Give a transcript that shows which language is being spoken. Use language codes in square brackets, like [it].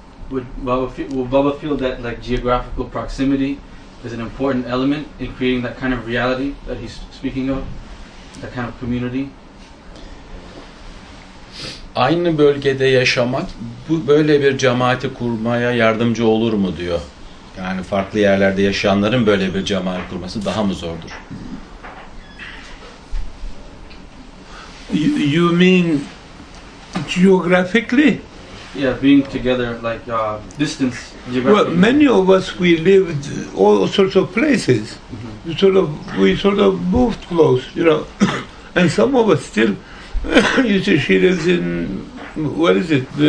[en] Will Baba feel that like geographical proximity is an important element in creating that kind of reality that he's speaking of, that kind of community? [tr] Aynı bölgede yaşamak bu böyle bir cemaati kurmaya yardımcı olur mu diyor. Yani farklı yerlerde yaşayanların böyle bir cemaat kurması daha mı zordur? [en] You mean geographically? Yeah, being together like distance geographically. Well, many of us we lived all sorts of places. Mm-hmm. We sort of moved close, and some of us still you see, she lives in, what is it?